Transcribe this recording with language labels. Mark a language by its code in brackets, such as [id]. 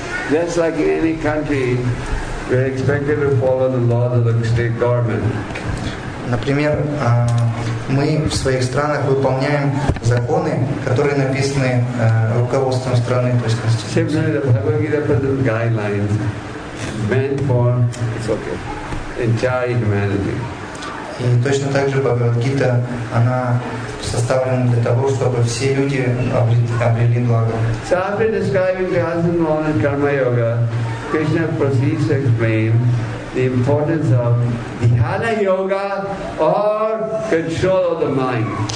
[en] Just like in any country, we are expected to follow the laws of the state government. [ru] Например, мы в своих странах выполняем законы, которые написаны руководством страны, то есть конституцией. [en] Similarly, the Bhagavad Gita presents guidelines meant for entire humanity. [ru] И точно так же Бхагавад Гита, она составлена для того, чтобы все люди обрели благо. [en] So after describing the asana known as Karma Yoga, Krishna proceeds to explain the importance of Dhyana Yoga or control of the mind.